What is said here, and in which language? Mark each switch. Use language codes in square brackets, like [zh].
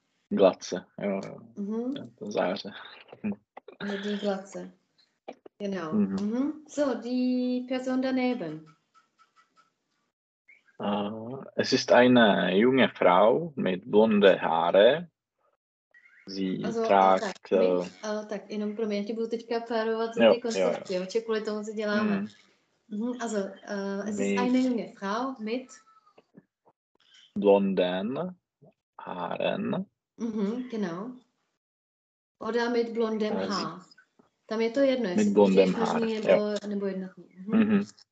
[de] Glatze, ja. Mhm. Das heißt. Also die Glatze. Genau. Mhm. Mhm. So, die Person daneben. Es ist eine junge Frau mit blonden Haaren. Sie also, trägt... [cs] Ale tak, jenom pro mě, ti budu teďka párovat ty konstrukty, jo, či kvůli tomu, co děláme. Mm. Mhm. [de] Also, es ist eine junge Frau mit... blonden Haaren. Mhm, genau. Oder mit blondem also, Haar. [cs] Tam je to jedno, jestli to je možný nebo jednoduchý. Mhm. Mhm.